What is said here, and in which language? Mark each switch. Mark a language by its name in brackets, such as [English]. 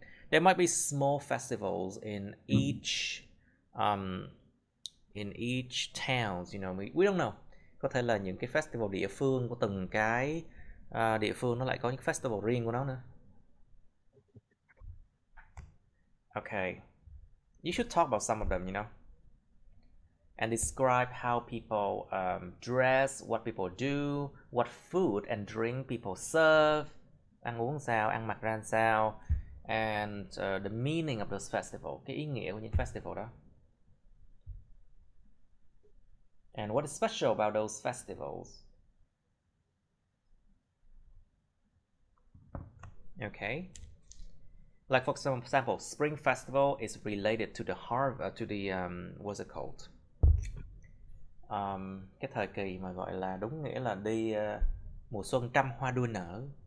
[English] There might be small festivals in each in each towns. You know, we don't know. [Vietnamese] Có thể là những cái festival địa phương của từng cái địa phương nó lại có những festival riêng của nó nữa. [English] Okay, you should talk about some of them, you know, and describe how people dress, what people do, what food and drink people serve, [Vietnamese] ăn uống sao, ăn mặc ra sao, [English] and the meaning of those festival, [Vietnamese] cái ý nghĩa của những festival đó. [English] And what is special about those festivals? Okay. Like for some example, Spring Festival is related to the harvest, to the what's it called? [Vietnamese] Cái thời kỳ mà gọi là đúng nghĩa là đi mùa xuân trăm hoa đua nở.